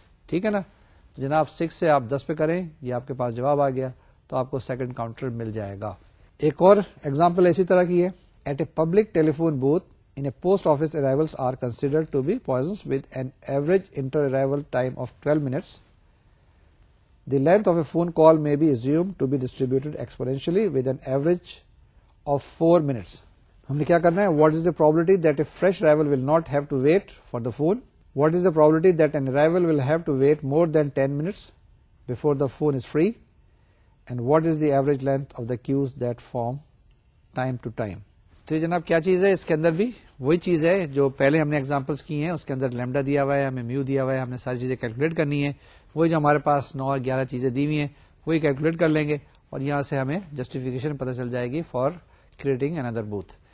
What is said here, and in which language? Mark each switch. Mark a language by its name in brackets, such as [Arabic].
[Urdu] ٹھیک ہے نا, تو جناب 6 سے آپ 10 پہ کریں, یہ آپ کے پاس جواب آ گیا, تو آپ کو سیکنڈ کاؤنٹر مل جائے گا. ایک اور ایگزامپل اسی طرح کی ہے, [English] At a public telephone booth in a post office arrivals are considered to be Poissons with an average inter arrival time of 12 minutes. The length of a phone call may be assumed to be distributed exponentially with an average of 4 minutes. [Urdu] ہم نے کیا کرنا ہے, [English] what is the probability that a fresh arrival will not have to wait for the phone? What is the probability that an arrival will have to wait more than 10 minutes before the phone is free? And what is the average length of the queues that form time to time? [Urdu] تو یہ جناب کیا چیز ہے, اس کے اندر بھی وہی چیز ہے جو پہلے ہم نے ایگزامپلس کی ہیں, اس کے اندر لیمڈا دیا ہوا ہے, ہمیں میو دیا ہوا ہے, ہم نے ساری چیزیں کیلکولیٹ کرنی ہے. وہی جو ہمارے پاس 9 اور 11 چیزیں دی ہوئی ہیں وہی کیلکولیٹ کر لیں گے اور یہاں سے ہمیں جسٹیفیکیشن پتہ چل جائے گی [English] For creating اندر booth.